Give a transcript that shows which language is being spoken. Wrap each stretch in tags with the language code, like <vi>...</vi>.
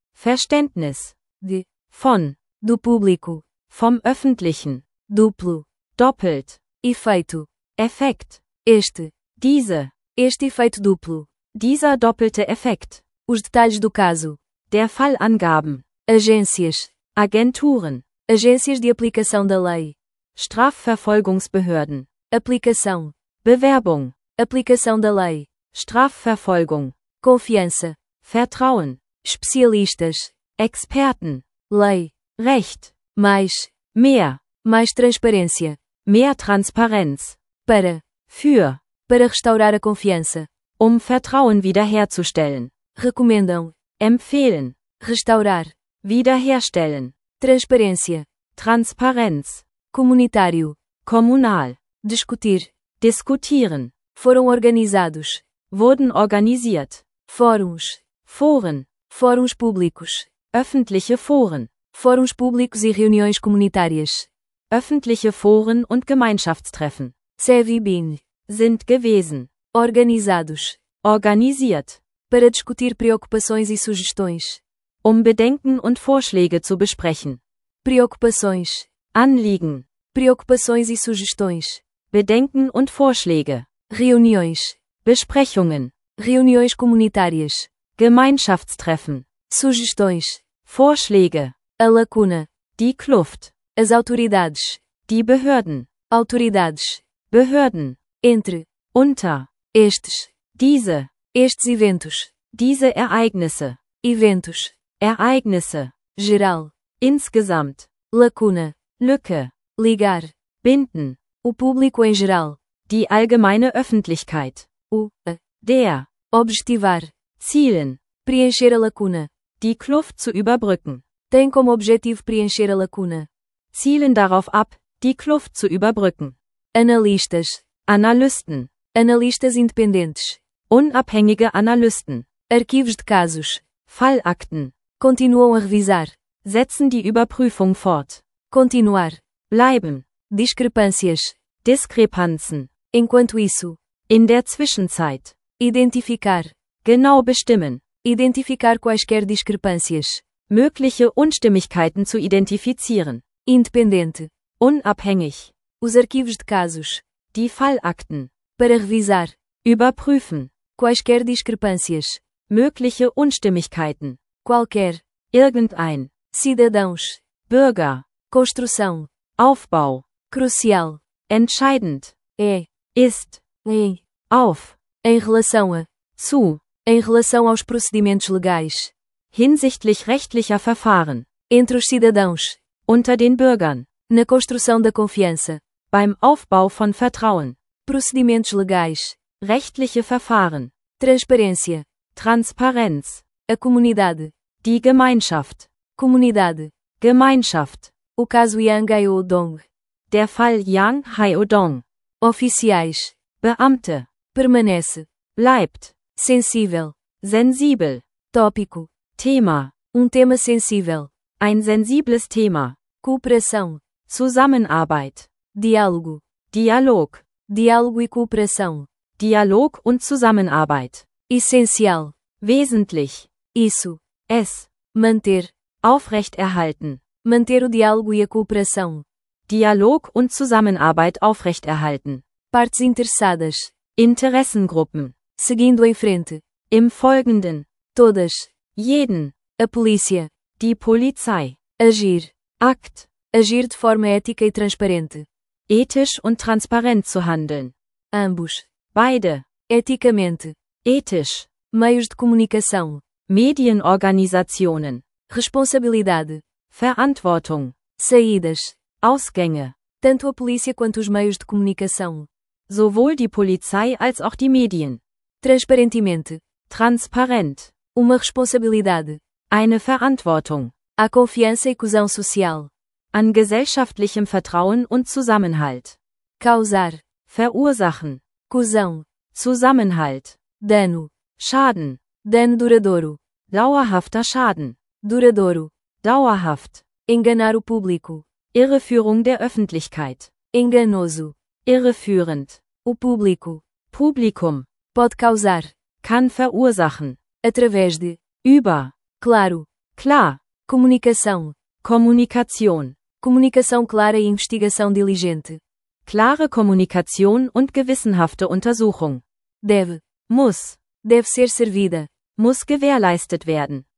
<de>Verständnis.</de> <pt>De.</pt> <de>Von.</de> <pt>Do público.</pt> <de>Vom Öffentlichen.</de> <pt>Duplo.</pt> <de>Doppelt.</de> <pt>Efeito.</pt> <de>Effekt.</de> <pt>Este.</pt> <de>Diese.</de> <pt>Este efeito duplo.</pt> <de>Dieser doppelte Effekt.</de> <pt>Os detalhes do caso.</pt> <de>Der Fallangaben.</de> <pt>Agências.</pt> <de>Agenturen.</de> <pt>Agências de aplicação da lei.</pt> <de>Strafverfolgungsbehörden.</de> <pt>Aplicação.</pt> <de>Bewerbung.</de> <pt>Aplicação da lei.</pt> <de>Strafverfolgung.</de> <pt>Confiança.</pt> <de>Vertrauen.</de> <pt>Especialistas.</pt> <de>Experten.</de> <pt>Lei.</pt> <de>Recht.</de> <pt>Mais.</pt> <de>Mehr.</de> <pt>Mais transparência.</pt> <de>Mehr Transparenz.</de> <pt>Para.</pt> <de>Für.</de> <pt>Para restaurar a confiança.</pt> <de>Vertrauen wiederherzustellen.</de> <pt>Recomendam.</pt> <de>Empfehlen.</de> <pt>Restaurar.</pt> <de>Wiederherstellen.</de> <pt>Transparência.</pt> <de>Transparenz.</de> <pt>Comunitário.</pt> <de>Kommunal.</de> <pt>Discutir.</pt> <de>Diskutieren.</de> <pt>Foram organizados.</pt> <de>Wurden organisiert.</de> <pt>Fóruns.</pt> <de>Foren.</de> <pt>Fóruns públicos.</pt> <de>Öffentliche Foren.</de> <pt>Fóruns públicos e reuniões comunitárias.</pt> <de>Öffentliche Foren und Gemeinschaftstreffen. Sevi bin. Sind gewesen.</de> <pt>Organizados.</pt> <de>Organisiert.</de> <pt>Para discutir preocupações e sugestões.</pt> <de>Bedenken und Vorschläge zu besprechen.</de> <pt>Preocupações.</pt> <de>Anliegen.</de> <pt>Preocupações e sugestões.</pt> <de>Bedenken und Vorschläge.</de> <pt>Reuniões.</pt> <de>Besprechungen.</de> <pt>Reuniões comunitárias.</pt> <de>Gemeinschaftstreffen.</de> <pt>Sugestões.</pt> <de>Vorschläge.</de> <pt>A lacuna.</pt> <de>Die Kluft.</de> <pt>As autoridades.</pt> <de>Die Behörden.</de> <pt>Autoridades.</pt> <de>Behörden.</de> <pt>Entre.</pt> <de>Unter.</de> <pt>Estes.</pt> <de>Diese.</de> <pt>Estes eventos.</pt> <de>Diese Ereignisse.</de> <pt>Eventos.</pt> <de>Ereignisse.</de> <pt>Geral.</pt> <de>Insgesamt.</de> <pt>Lacuna.</pt> <de>Lücke.</de> <pt>Ligar.</pt> <de>Binden.</de> <pt>O público em geral.</pt> <de>Die allgemeine Öffentlichkeit.</de> <pt>O.</pt> <de>Der.</de> <pt>Objetivar.</pt> <de>Zielen.</de> <pt>Preencher a lacuna.</pt> <de>Die Kluft zu überbrücken.</de> <pt>Tem como objetivo preencher a lacuna.</pt> <de>Zielen darauf ab, die Kluft zu überbrücken.</de> <pt>Analistas.</pt> <de>Analysten.</de> <pt>Analistas independentes.</pt> <de>Unabhängige Analysten.</de> <pt>Arquivos de casos.</pt> <de>Fallakten.</de> <pt>Continuam a revisar.</pt> <de>Setzen die Überprüfung fort.</de> <pt>Continuar.</pt> <de>Bleiben.</de> <pt>Discrepâncias.</pt> <de>Diskrepanzen.</de> <pt>Enquanto isso.</pt> <de>In der Zwischenzeit.</de> <pt>Identificar.</pt> <de>Genau bestimmen.</de> <pt>Identificar quaisquer discrepâncias.</pt> <de>Mögliche Unstimmigkeiten zu identifizieren.</de> <pt>Independente.</pt> <de>Unabhängig.</de> <pt>Os arquivos de casos.</pt> <de>Die Fallakten.</de> <pt>Para revisar.</pt> <de>Überprüfen.</de> <pt>Quaisquer discrepâncias.</pt> <de>Mögliche Unstimmigkeiten.</de> <pt>Qualquer.</pt> <de>Irgendein.</de> <pt>Cidadãos.</pt> <de>Bürger.</de> <pt>Construção.</pt> <de>Aufbau.</de> <pt>Crucial.</pt> <de>Entscheidend.</de> <pt>É.</pt> <de>Ist.</de> <pt>Em.</pt> <de>Auf.</de> <pt>Em relação a.</pt> <de>Zu.</de> <pt>Em relação aos procedimentos legais.</pt> <de>Hinsichtlich rechtlicher Verfahren.</de> <pt>Entre os cidadãos.</pt> <de>Unter den Bürgern.</de> <pt>Na construção da confiança.</pt> <de>Beim Aufbau von Vertrauen.</de> <pt>Procedimentos legais.</pt> <de>Rechtliche Verfahren.</de> <pt>Transparência.</pt> <de>Transparenz.</de> <pt>A comunidade.</pt> <de>Die Gemeinschaft.</de> <pt>Comunidade.</pt> <de>Gemeinschaft.</de> <pt>O caso Yang Haeodong.</pt> <de>Der Fall Yang Haeodong.</de> <pt>Oficiais.</pt> <de>Beamte.</de> <pt>Permanece.</pt> <de>Bleibt.</de> <pt>Sensível. Sensível. Tópico.</pt> <de>Thema.</de> <pt>Tema sensível.</pt> <de>Ein sensibles Thema.</de> <pt>Cooperação.</pt> <de>Zusammenarbeit.</de> <pt>Diálogo.</pt> <de>Dialog.</de> <pt>Diálogo e cooperação.</pt> <de>Dialog und Zusammenarbeit.</de> <pt>Essencial.</pt> <de>Wesentlich.</de> <pt>Isso.</pt> <de>Es.</de> <pt>Manter.</pt> <de>Aufrechterhalten.</de> <pt>Manter o diálogo e a cooperação.</pt> <de>Dialog und Zusammenarbeit aufrechterhalten.</de> <pt>Partes interessadas.</pt> <de>Interessengruppen.</de> <pt>Seguindo em frente.</pt> <de>Im Folgenden.</de> <pt>Todas.</pt> <de>Jeden.</de> <pt>A polícia.</pt> <de>Die Polizei.</de> <pt>Agir.</pt> <en>Act.</en> <pt>Agir de forma ética e transparente.</pt> <de>Ethisch und transparent zu handeln.</de> <pt>Ambos.</pt> <de>Beide.</de> <pt>Eticamente.</pt> <de>Ethisch.</de> <pt>Meios de comunicação.</pt> <de>Medienorganisationen.</de> <pt>Responsabilidade.</pt> <de>Verantwortung.</de> <pt>Saídas.</pt> <de>Ausgänge.</de> <pt>Tanto a polícia quanto os meios de comunicação.</pt> <de>Sowohl die Polizei als auch die Medien.</de> <pt>Transparentemente.</pt> <de>Transparent.</de> <pt>Uma responsabilidade.</pt> <de>Eine Verantwortung.</de> <pt>A confiança e coesão social.</pt> <de>An gesellschaftlichem Vertrauen und Zusammenhalt.</de> <pt>Causar.</pt> <de>Verursachen.</de> <pt>Coesão.</pt> <de>Zusammenhalt.</de> <pt>Dano.</pt> <de>Schaden.</de> <pt>Dano duradouro.</pt> <de>Dauerhafter Schaden.</de> <pt>Duradouro.</pt> <de>Dauerhaft.</de> <pt>Enganar o público.</pt> <de>Irreführung der Öffentlichkeit.</de> <pt>Enganoso.</pt> <de>Irreführend.</de> <pt>O público.</pt> <de>Publikum.</de> <pt>Pode causar.</pt> <de>Kann verursachen.</de> <pt>Através de.</pt> <de>Über.</de> <pt>Claro.</pt> <de>Klar.</de> <pt>Comunicação.</pt> <de>Kommunikation.</de> <pt>Comunicação clara e investigação diligente.</pt> <de>Klare Kommunikation und gewissenhafte Untersuchung.</de> <pt>Deve.</pt> <de>Muss.</de> <pt>Deve ser servida.</pt> <de>Muss gewährleistet werden.</de>